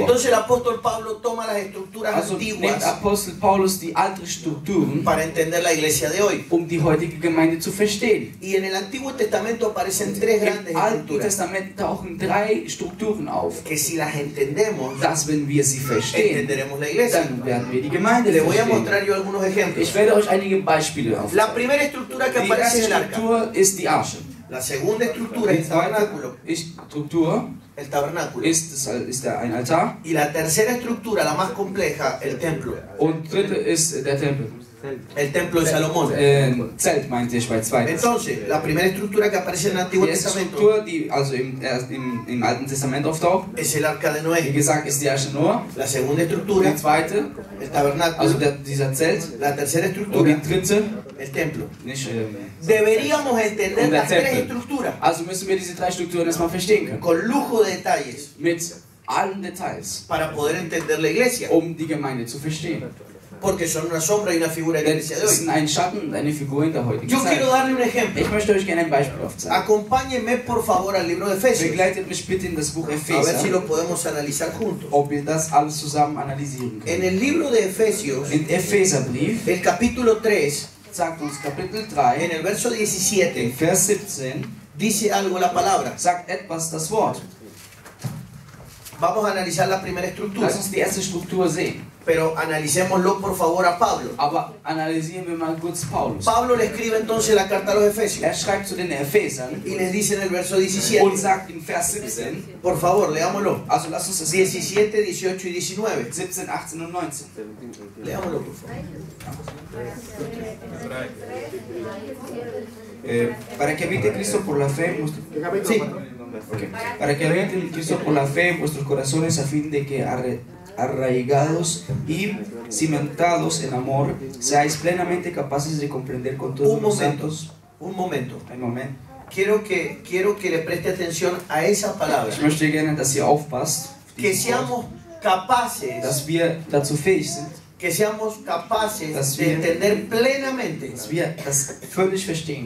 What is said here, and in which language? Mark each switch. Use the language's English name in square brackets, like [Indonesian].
[Spanish] Entonces el apóstol Pablo toma las estructuras antiguas. [German] Nimmt Apostel Paulus die alten Strukturen, [Spanish] para entender la iglesia de hoy. [German] Um die heutige Gemeinde zu verstehen. [Spanish] Y en el Antiguo Testamento aparecen tres grandes [German] Alten Testament tauchen drei Strukturen auf. [Spanish] Que si las entendemos, [German] das wenn wir sie verstehen, [Spanish] entenderemos la iglesia. [German] Dann werden wir die Gemeinde verstehen. [Spanish] Le voy a mostrar yo algunos ejemplos. [German] Ich werde euch einige Beispiele aufzeigen. [Spanish] La primera estructura que aparece en el arca [German] ist die Arche. [Spanish] La segunda estructura, el tabernáculo. Estructura. El tabernáculo. [German] Ist ein Altar. [Spanish] Y la tercera estructura, la más compleja, el templo. [German] Und dritte ist der Tempel. [Spanish] El templo de Salomón. [German] Zelt meinte ich bei zweites. [Spanish] Entonces, la primera estructura que aparece en el Antiguo Testamento. [German] Die, also im Alten Testament auftaucht. [Spanish] Es el Arca de Noé. [German] Wie gesagt, ist die Arche Noah. [Spanish] La segunda estructura. [German] Die zweite. [Spanish] El tabernáculo. [German] Also dieser Zelt. [Spanish] La tercera estructura. [German] Und die dritte. [Spanish] El templo. Deberíamos entender las tres estructuras. [German] Also müssen wir diese drei Strukturen erstmal verstehen können. [Spanish] Con lujo de detalles. [German] Mit allen Details. [Spanish] Para poder entender la iglesia. [German] Um die Gemeinde zu verstehen. [Spanish] Porque son una sombra y una figura en la iglesia de hoy. [German] Sind ein Schatten und eine Figur in der heutigen Zeit. [Spanish] Yo quiero darle un ejemplo. [German] Ich möchte euch gerne ein Beispiel aufzeigen. [Spanish] Acompáñenme por favor al libro de Efesios. [German] Begleitet mich bitte in das Buch Epheser. [Spanish] A ver si lo podemos analizar juntos. [German] Ob wir das alles zusammen analysieren können. [Spanish] En el libro de Efesios. [German] In Epheserbrief. [Spanish] El capítulo 3. [German] Sagt uns Kapitel 3, [Spanish] en el verso 17, [German] in Vers 17, [Spanish] dice algo la palabra. [German] Sagt etwas das Wort. [Spanish] Vamos a analizar la primera estructura. [German] Lass uns die erste Struktur sehen. [Spanish] Pero analicémoslo por favor a Pablo. [German] Aber analysieren wir mal kurz Paulus. [Spanish] Pablo le escribe entonces la carta a los Efesios. [German] Er schreibt zu den Ephesern. [Spanish] Y les dice en el verso 17. [German] Und sagt in Vers 17. [Spanish] Por favor, leámoslo. [German] Also lass uns [Spanish] 17, 18 y 19. [German] 17, 18 und 19. [Spanish] Leámoslo por favor. Para que habite Cristo por la fe. Sí. Okay. Para que habite Cristo por la fe en vuestros corazones a fin de que arraigados y cimentados en amor, seáis plenamente capaces de comprender con todos los santos. Un momento. Un momento. Quiero que le preste atención a esa palabra. [German] Ich möchte gerne, dass ihr aufpasst. [Spanish] Que seamos capaces. [German] Dass wir dazu fähig sind. [Spanish] Que seamos capaces de entender plenamente. [German] Dass wir das völlig verstehen.